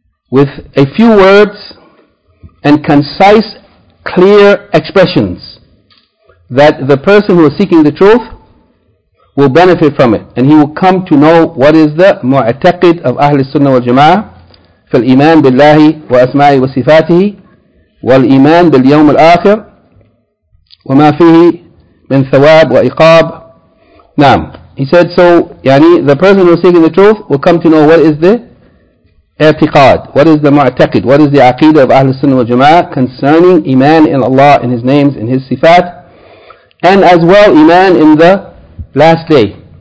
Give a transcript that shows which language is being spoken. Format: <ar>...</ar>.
<en>With a few words and concise, clear expressions that the person who is seeking the truth will benefit from it. And he will come to know what is the mu'taqid of Ahlul Sunnah wal Jama'ah.</en> <ar>فالإيمان بالله وأسمائه وصفاته والإيمان باليوم الآخر وما فيه من ثواب وإقاب. نعم.</ar> <en>He said, so the person who is seeking the truth will come to know what is the اعتقاد, what is the معتقد, what is the عقيدة of أهل السنة والجماعة concerning إيمان in Allah, in His names, in His صفات, and as well إيمان in the last day.</en>